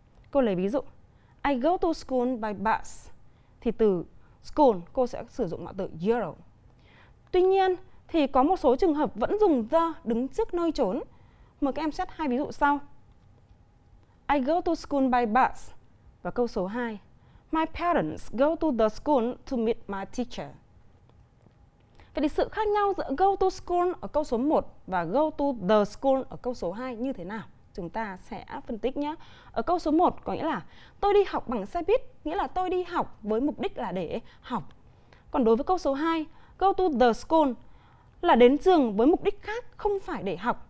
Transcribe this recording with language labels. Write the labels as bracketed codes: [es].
[vi] Cô lấy ví dụ, [en] I go to school by bus. [vi] Thì từ school cô sẽ sử dụng mạo từ zero. Tuy nhiên thì có một số trường hợp vẫn dùng the đứng trước nơi chốn. Mời các em xét hai ví dụ sau. [en] I go to school by bus. [vi] Và câu số 2. [en] My parents go to the school to meet my teacher. [vi] Vậy thì sự khác nhau giữa go to school ở câu số 1 và go to the school ở câu số 2 như thế nào? Chúng ta sẽ phân tích nhé. Ở câu số 1 có nghĩa là tôi đi học bằng xe buýt, nghĩa là tôi đi học với mục đích là để học. Còn đối với câu số 2, go to the school là đến trường với mục đích khác, không phải để học.